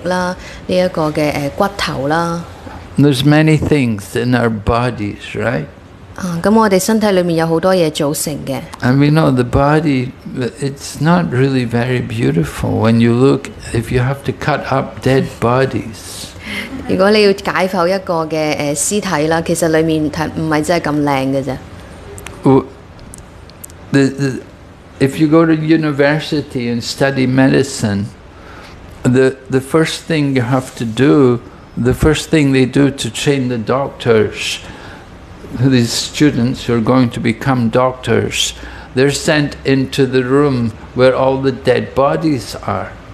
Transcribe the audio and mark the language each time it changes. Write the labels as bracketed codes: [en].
[zh] 這些元素就會形成譬如血液、黏液、骨頭 [en] There's many things in our bodies, right? [zh] 我們身體裡面有很多東西組成的 [en] And we know the body, it's not really very beautiful when you look, if you have to cut up dead bodies [zh] 如果你要解剖一個屍體其實裡面不是真的那麼漂亮的 [en] If you go to university and study medicine, the first thing you have to do, the first thing they do to train the doctors, these students who are going to become doctors, they're sent into the room where all the dead bodies are.